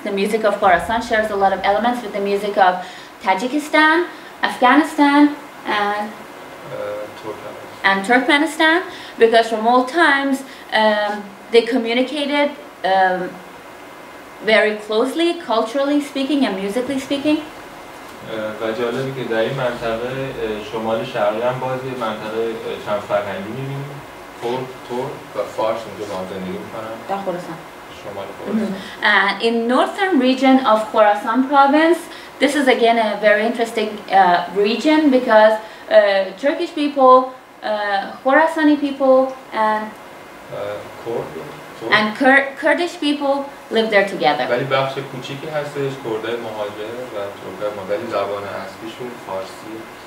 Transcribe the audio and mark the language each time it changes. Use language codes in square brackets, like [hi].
[en] The music of Khorasan shares a lot of elements with the music of Tajikistan, Afghanistan and Turkmenistan because from old times they communicated very closely, culturally speaking and musically speaking. [fa] و جالبی که در این منطقه شمال شرقی هم بازی منطقه چند فرهنگی میبینیم. کرد، ترک و فارس اونجا با هم زندگی میکنن. در خراسان. شمال خراسان. [en] And in northern region of Khorasan province, this is again a very interesting region because Turkish people, Khorasani people and Kurd. And Kurdish people live there together. [fa] ولی بخش کوچیکی هستش کردهای مهاجر و ترکای مدلی زبان اصلیشون فارسیه.